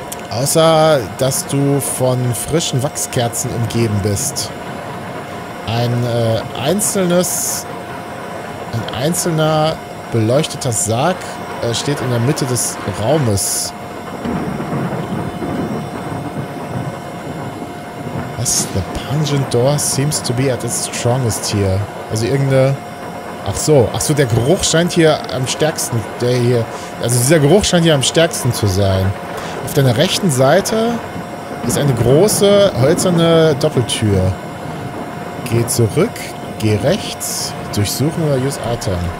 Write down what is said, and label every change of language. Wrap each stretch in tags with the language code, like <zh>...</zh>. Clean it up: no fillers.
<de>Außer, dass du von frischen Wachskerzen umgeben bist. Ein einzelner beleuchteter Sarg steht in der Mitte des Raumes. Was?</de> <en>The Pungent Door seems to be at its strongest here.</en> <de>Also irgendeine... Ach so, der Geruch scheint hier am stärksten, dieser Geruch scheint hier am stärksten zu sein. Auf deiner rechten Seite ist eine große, hölzerne Doppeltür. Geh zurück, geh rechts, durchsuchen oder</de> <en>use item.</en>